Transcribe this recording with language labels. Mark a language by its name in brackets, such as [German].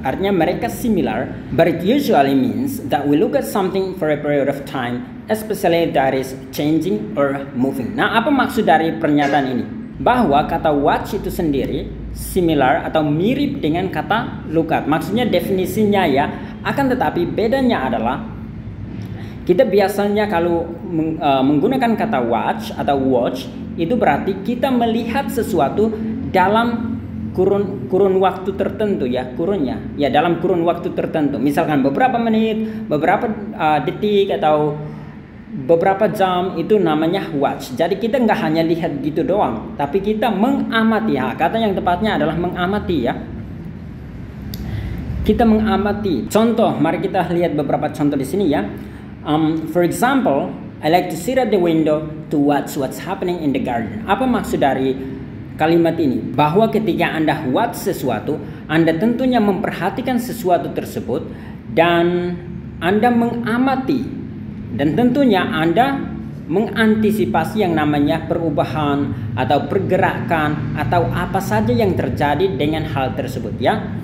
[Indonesian] Artinya mereka [English] similar, but it usually means that we look at something for a period of time, especially if that is changing or moving. [Indonesian] Nah, apa maksud dari pernyataan ini? Bahwa kata watch itu sendiri similar atau mirip dengan kata look at. Maksudnya definisinya ya, akan tetapi bedanya adalah kita biasanya kalau menggunakan kata watch atau watch, itu berarti kita melihat sesuatu dalam kurun waktu tertentu ya, kurunnya. Ya, dalam kurun waktu tertentu. Misalkan beberapa menit, beberapa detik, atau beberapa jam, itu namanya watch. Jadi kita nggak hanya lihat gitu doang, tapi kita mengamati. Ya. Kata yang tepatnya adalah mengamati ya. Kita mengamati. Contoh, mari kita lihat beberapa contoh di sini ya. [English] For example, I like to sit at the window to watch what's happening in the garden. [Indonesian] Apa maksud dari kalimat ini? Bahwa ketika Anda watch sesuatu, Anda tentunya memperhatikan sesuatu tersebut dan Anda mengamati. Dan tentunya Anda mengantisipasi yang namanya perubahan atau pergerakan atau apa saja yang terjadi dengan hal tersebut ya.